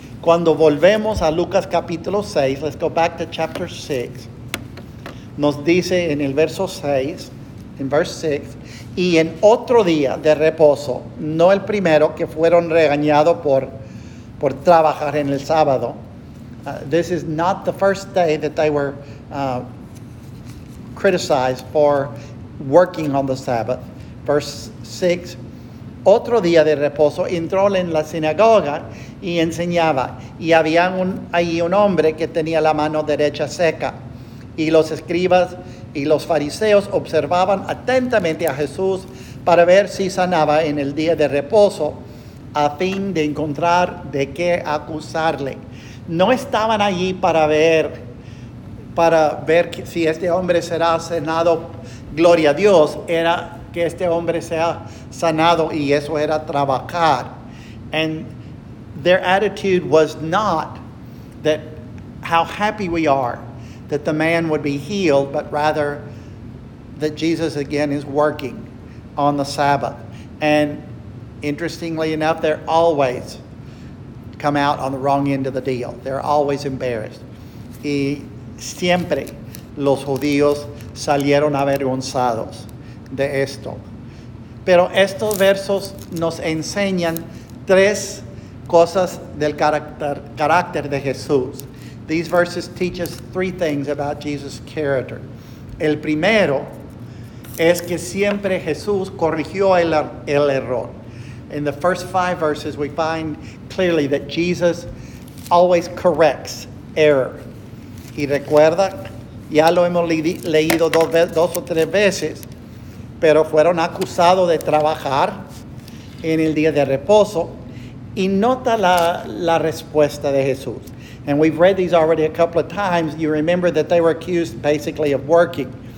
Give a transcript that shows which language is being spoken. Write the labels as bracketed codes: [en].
[es] Cuando volvemos a Lucas capítulo 6, [en] let's go back to chapter 6. [es] Nos dice en el verso 6, [en] in verse 6, [es] y en otro día de reposo, no el primero, que fueron regañados por trabajar en el sábado. [en] This is not the first day that they were criticized for working on the Sabbath. Verse 6, [es] otro día de reposo, entró en la sinagoga y enseñaba, y había allí un hombre que tenía la mano derecha seca. Y los escribas y los fariseos observaban atentamente a Jesús para ver si sanaba en el día de reposo a fin de encontrar de qué acusarle. No estaban allí para ver si este hombre será sanado, gloria a Dios, era que este hombre sea sanado, y eso era trabajar. [en] And their attitude was not that how happy we are that the man would be healed, but rather that Jesus again is working on the Sabbath. And interestingly enough, they're always come out on the wrong end of the deal. They're always embarrassed. [es] Y siempre los judíos salieron avergonzados de esto. Pero estos versos nos enseñan tres cosas del carácter de Jesús. [en] These verses teach us three things about Jesus' character. [es] El primero es que siempre Jesús corrigió el error. [en] In the first 5 verses, we find clearly that Jesus always corrects error. [es] Y recuerda, ya lo hemos leído dos o tres veces, pero fueron acusados de trabajar en el día de reposo. Y nota la respuesta de Jesús. [en] And we've read these already a couple of times. You remember that they were accused basically of working.